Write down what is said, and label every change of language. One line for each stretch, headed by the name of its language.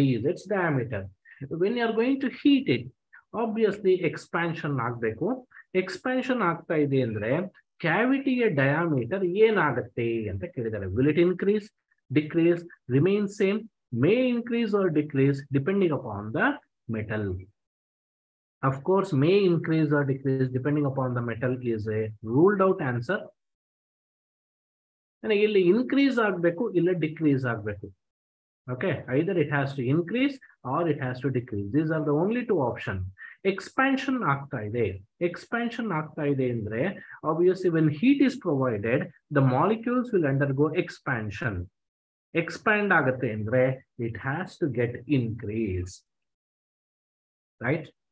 English: Its diameter. When you are going to heat it, obviously expansion
Kannada: ಆಗ್ಬೇಕು. Expansion ಆಗ್ತಾ ಇದೆ ಅಂದ್ರೆ ಕ್ಯಾವಿಟಿಯ ಡಯಾಮೀಟರ್ ಏನಾಗುತ್ತೆ ಅಂತ ಕೇಳಿದ್ದಾರೆ.
English: Will it increase, decrease, remain same, may increase or decrease depending upon the metal. Of course may increase or decrease depending upon the metal is a ruled out answer.
Kannada: ಇಲ್ಲಿ increase ಆಗ್ಬೇಕು ಇಲ್ಲ ಡಿಕ್ರೀಸ್ ಆಗ್ಬೇಕು.
English: Okay, either it has to increase or it has to decrease. These are the only two options.
Kannada: Expansion aagta ide. Expansion aagta ide andre,
English: obviously when heat is provided, the molecules will undergo expansion.
Kannada: Expand aagate andre,
English: it has to get increased. Right?